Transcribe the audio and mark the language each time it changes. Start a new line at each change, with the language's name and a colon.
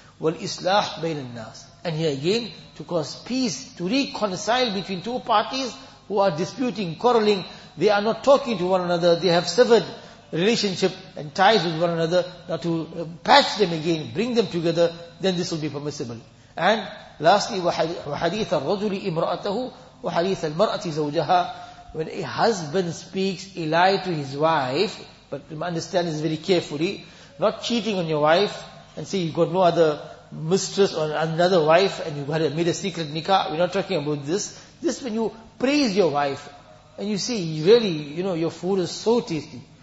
Arabic: Wal islah bayn al-nas.
English: And here again, to cause peace, to reconcile between two parties who are disputing, quarreling, they are not talking to one another, they have severed relationship and ties with one another, now to patch them again, bring them together, then this will be permissible. And lastly,
Arabic: وَحَدِيثَ الرَّجُلِ إِمْرَأَتَهُ وَحَدِيثَ الْمَرْأَةِ زَوْجَهَا.
English: When a husband speaks a lie to his wife, but understand this very carefully, not cheating on your wife, and say you've got no other mistress or another wife, and you made a secret nikah, we're not talking about this. This when you praise your wife, and you say, really, you know, your food is so tasty.